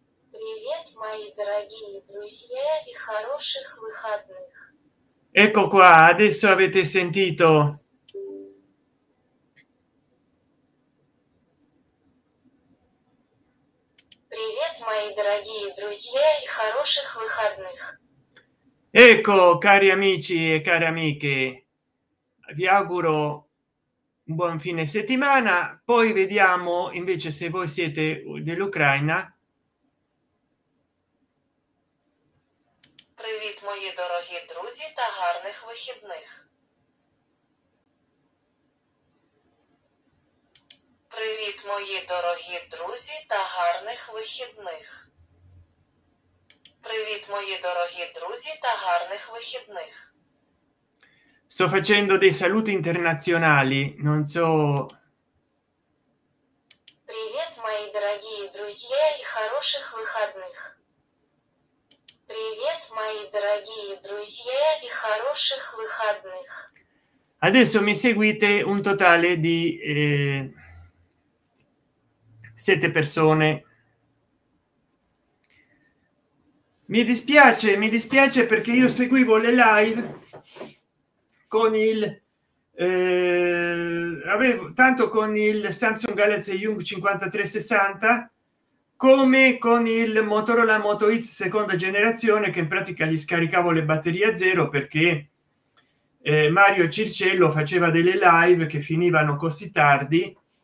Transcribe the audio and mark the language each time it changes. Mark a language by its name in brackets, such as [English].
[Russian] Привет, мои дорогие друзья и хороших выходных. [Italian] Ecco qua, adesso avete sentito. [Russian] Привет, мои дорогие друзья и хороших выходных. [Italian] Ecco, cari amici e care amiche. Vi auguro un buon fine settimana, poi vediamo invece se voi siete dell'Ucraina. [Ukrainian] Привіт, мої дорогі друзі, та гарних вихідних. Привіт, мої дорогі друзі, та гарних вихідних. Привіт, мої дорогі друзі, та гарних вихідних. [Italian] Sto facendo dei saluti internazionali, non so. [Ukrainian] Привіт, мої дорогі друзі, і хороших вихідних. [Russian] Привет, мои дорогие друзья и хороших выходных. [Italian] Adesso mi seguite un totale di 7 persone. Mi dispiace perché io seguivo le live con il avevo tanto con il Samsung Galaxy Yung 5360 come con il Motorola Moto X seconda generazione, che in pratica gli scaricavo le batterie a zero perché Mario Circello faceva delle live che finivano così tardi.